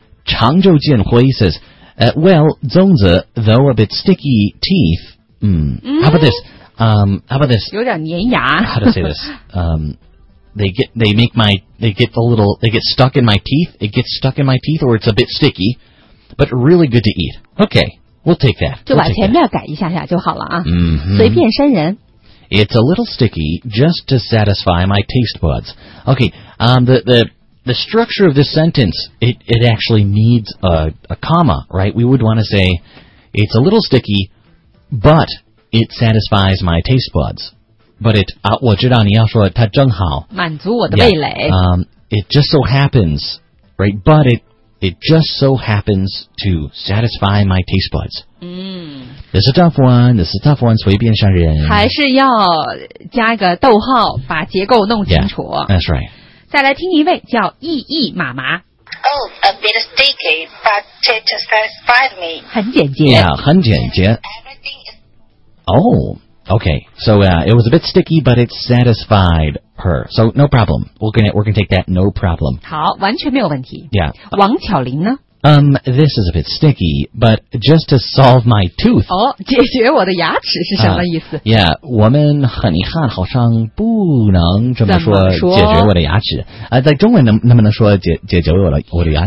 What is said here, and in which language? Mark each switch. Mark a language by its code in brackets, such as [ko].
[en] 常州建辉 says, well, 粽子, though a bit sticky teeth, how about this? How about this? [zh] 有点粘牙。 [en] How to say this? They get stuck in my teeth. It gets stuck in my teeth, or it's a bit sticky, but really good to eat. Okay, we'll take that. [zh] 就把前面改一下下就好了啊。随便删人。 [en] It's a little sticky just to satisfy my taste buds. Okay, the structure of this sentence, it actually needs a comma, right? We would want to say, it's a little sticky, but it satisfies my taste buds. But it, [zh] 我知道你要说它正好. 满足我的味蕾. [en] Yeah, it just so happens, right? But it just so happens to satisfy my taste buds. This is a tough one, 随便上人. [zh] 还是要加一个逗号, 把结构弄清楚. [en] Yeah, that's right. [zh] 再来听一位, 叫易易妈妈。 [en] Oh, a bit sticky, but it satisfied me. [zh] 很简洁. Yeah, 很简洁.Oh, okay. [en] So it was a bit sticky, but it satisfied her. So no problem. We're gonna take that, no problem. [zh] 好, 完全没有问题. [en] Yeah. [zh] 王巧玲呢? [en] This is a bit sticky, but just to solve my tooth. [zh] Oh, 解决我的牙齿是什么意思? Yeah, 我们很遗憾好像不能这么说解决我的牙齿。在中文能不能说解决我的牙齿?